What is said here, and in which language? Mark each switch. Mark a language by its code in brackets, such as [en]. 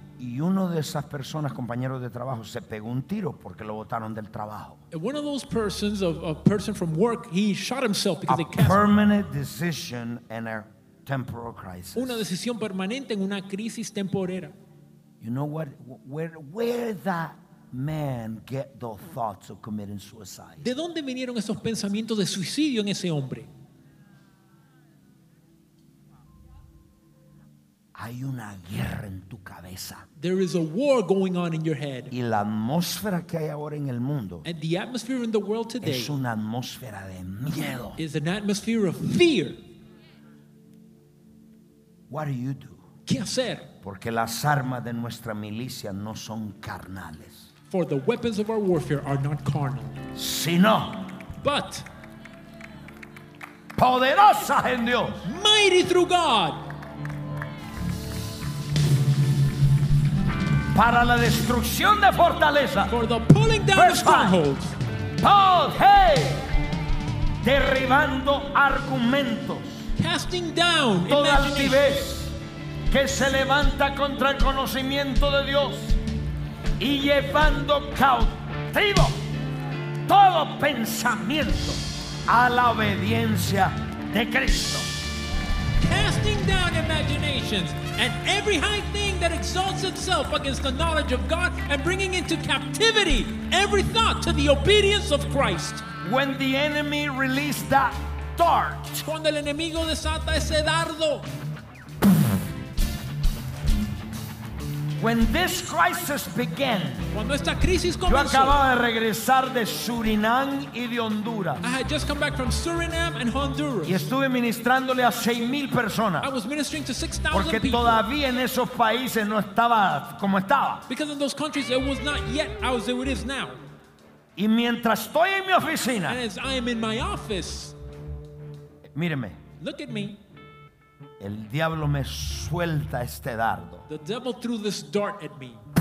[es] Y uno de esas personas, compañeros de trabajo, se pegó un tiro porque lo botaron del trabajo. [en] And one of those persons, a person from work, he shot himself because they cast a permanent decision in a temporal crisis. [es] Una decisión permanente en una crisis temporera. [en] You know what? Where that man get those thoughts of committing suicide? [es] ¿De dónde vinieron esos pensamientos de suicidio en ese hombre? Hay una guerra en tu cabeza. [en] There is a war going on in your head. [es] Y la atmósfera que hay ahora en el mundo. [en] And the atmosphere in the world today. [es] Es una atmósfera de miedo. [en] Is an atmosphere of fear. What do you do? [es] ¿Qué hacer? Porque las armas de nuestra milicia no son carnales. [en] For the weapons of our warfare are not carnal. [es] Sino. [en] But. [es] Poderosa en Dios. [en] Mighty through God. [es] Para la destrucción de fortaleza. [en] For the pulling down of strongholds. [es] Paul, hey. Derribando argumentos. [en] Casting down [es] toda altivez que se levanta contra el conocimiento de Dios y llevando cautivo todo pensamiento a la obediencia de Cristo. [en] Casting down imaginations and every high thing that exalts itself against the knowledge of God and bringing into captivity every thought to the obedience of Christ. When the enemy released that dart, [es] cuando el enemigo desata ese dardo, [en] when this crisis began, [es] cuando esta crisis comenzó, yo acababa de regresar de Surinam y de Honduras. [en] I had just come back from Suriname and Honduras. [es] Y estuve ministrándole a 6,000 personas. [en] I was ministering to 6,000 people. [es] Porque todavía en esos países no estaba como estaba. [en] Because in those countries it was not yet as it is now. [es] Y mientras estoy en mi oficina, [en] and as I am in my office, [es] míreme. [en] Look at me. [es] El diablo me suelta este dardo. [en] The devil threw this dart at me.